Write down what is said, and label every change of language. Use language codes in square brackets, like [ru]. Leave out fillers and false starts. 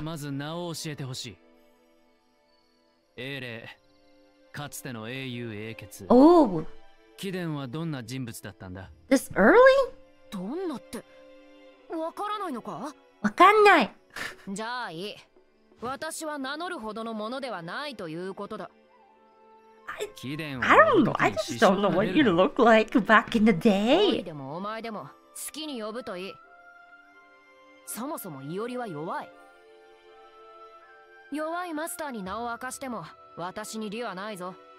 [ja] まず名を教えてほしい。英霊、かつての英雄英傑。おお。貴殿はどんな人物だったんだ。 [en] This early? [ja] どんなって、わからないのか。わかんない。じゃあいい。私は名乗るほどのものではないということだ。貴殿は。 [en] I don't know. I just don't know what you look like back in the day. [ja] 一人でもお前でも好きに呼ぶといい。そもそもイオリは弱い。弱いマスターに名を明かしても私に利はないぞ。